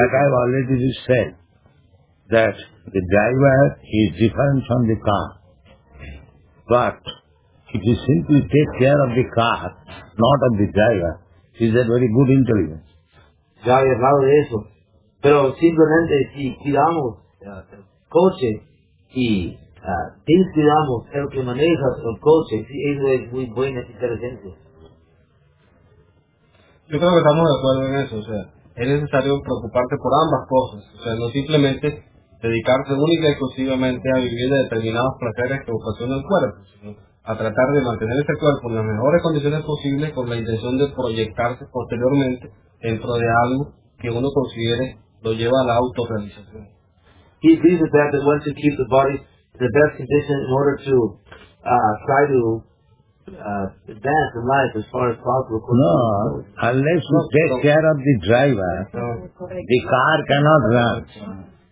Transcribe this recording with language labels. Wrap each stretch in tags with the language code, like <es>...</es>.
<en>That I have already said, that the driver is different from the car. But if you simply take care of the car, not of the driver, he is a very good intelligence.</en> <es>Ya he hablado de eso. Pero simplemente si cuidamos el coche y inspiramos el que maneja el coche, si eso es muy buena inteligencia. Yo creo que estamos de acuerdo en eso. O sea, es necesario preocuparse por ambas cosas. O sea, no simplemente dedicarse única y exclusivamente a vivir de determinados placeres que ocasiona el cuerpo, sino a tratar de mantener ese cuerpo en las mejores condiciones posibles con la intención de proyectarse posteriormente dentro de algo que uno considere lo lleva a la autorrealización.</es> <en>He says that they want to keep the body in the best condition in order to try to advance in life as far as possible. No, unless you take care of the driver, the car cannot run.</en>